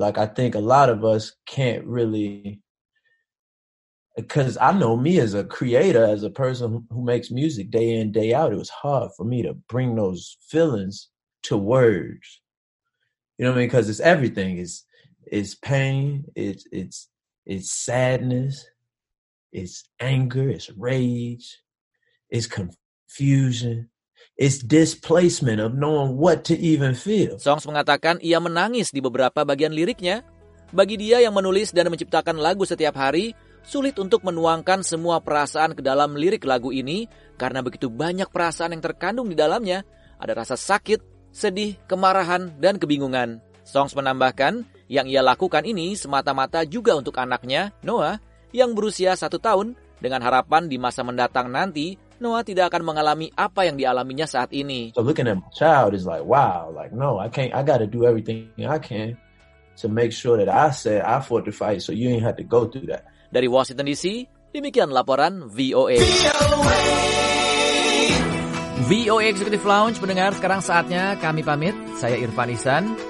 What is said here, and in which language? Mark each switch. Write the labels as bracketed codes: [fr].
[en] Like, I think a lot of us can't really, because I know me as a creator, as a person who makes music day in, day out, it was hard for me to bring those feelings to words, you know what I mean? Because it's everything. It's pain. It's sadness. It's anger. It's rage. It's confusion. It's displacement of knowing what to even feel. [id] Songz mengatakan ia menangis di beberapa bagian liriknya. Bagi dia yang menulis dan menciptakan lagu setiap hari, sulit untuk menuangkan semua perasaan ke dalam lirik lagu ini karena begitu banyak perasaan yang terkandung di dalamnya. Ada rasa sakit, sedih, kemarahan, dan kebingungan. Songz menambahkan, yang ia lakukan ini semata-mata juga untuk anaknya, Noah, yang berusia 1 tahun, dengan harapan di masa mendatang nanti, Noah tidak akan mengalami apa yang dialaminya saat ini. [en] So looking at my child is like, wow, like no, I gotta do everything I can to make sure that I fought the fight so you ain't had to go through that. [id] Dari Washington DC, demikian laporan VOA. VOA Executive Lounge, pendengar, sekarang saatnya kami pamit. Saya Irfan Ihsan.